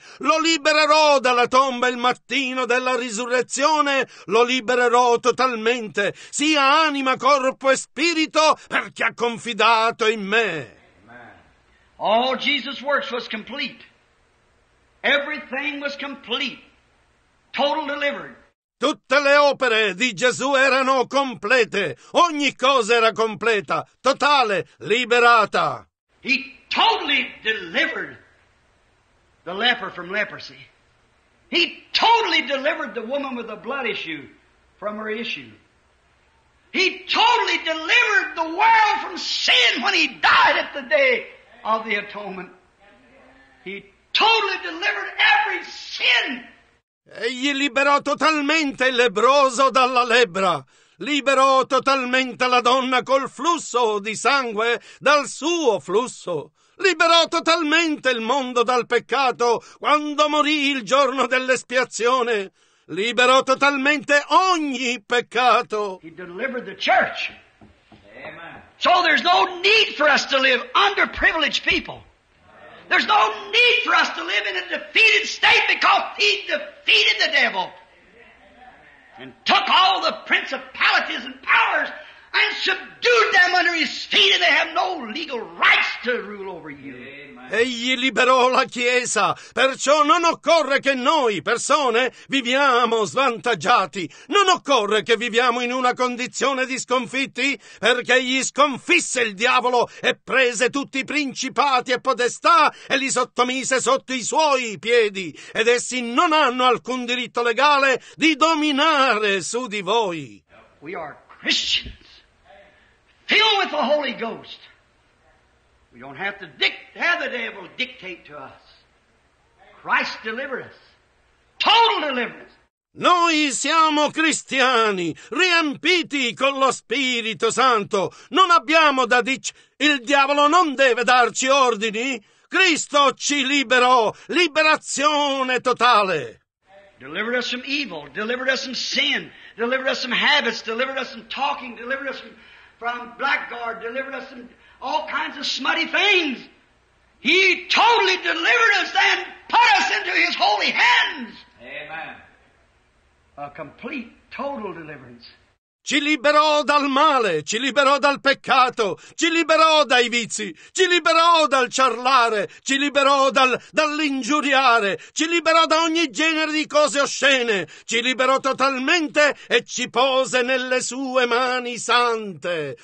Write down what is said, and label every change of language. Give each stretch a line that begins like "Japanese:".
Italian: Lo libererò dalla tomba il mattino della risurrezione, lo libererò totalmente, sia anima, corpo e spirito, perché ha confidato in me.
English: All Jesus' works was complete. Everything was complete. Total delivered.
Italian: Tutte le opere di Gesù erano complete. Ogni cosa era completa, totale, liberata.
English: He totally delivered the leper from leprosy. He totally delivered the woman with the blood issue from her issue. He totally delivered the world from sin when he died at the day of the atonement. He totally delivered every sin.
Italian: Egli liberò totalmente il lebbroso dalla lebbra. Liberò totalmente la donna col flusso di sangue dal suo flusso. Liberò totalmente il mondo dal peccato quando morì il giorno dell'espiazione. Liberò totalmente ogni peccato.
English: He delivered the church. Amen. So there's no need for us to live underprivileged people. There's no need for us to live in a defeated state because he defeated the devil and took all the principalities and powers and subdued them under his feet, and they have no legal rights to rule over you.
Italian: Egli liberò la Chiesa, perciò non occorre che noi, persone, viviamo svantaggiati. Non occorre che viviamo in una condizione di sconfitti, perché egli sconfisse il diavolo e prese tutti i principati e potestà e li sottomise sotto i suoi piedi, ed essi non hanno alcun diritto legale di dominare su di voi.
English: We are Christians, filled with the Holy Ghost. We don't have to have the devil dictate to us. Christ delivered us. Total deliverance.
Italian: Noi siamo cristiani, riempiti con lo Spirito Santo. Non abbiamo da dire, il diavolo non deve darci ordini. Cristo ci liberò, liberazione totale.
English: Delivered us from evil, delivered us from sin, delivered us from habits, delivered us from talking, delivered us from blackguard, delivered us from all kinds of smutty things. He totally delivered us and put us into his holy hands. Amen. A complete, total deliverance.
Italian: Ci liberò dal male, ci liberò dal peccato, ci liberò dai vizi, ci liberò dal ciarlare, ci liberò dall'ingiuriare, ci liberò da ogni genere di cose oscene, ci liberò totalmente e ci pose nelle sue mani sante.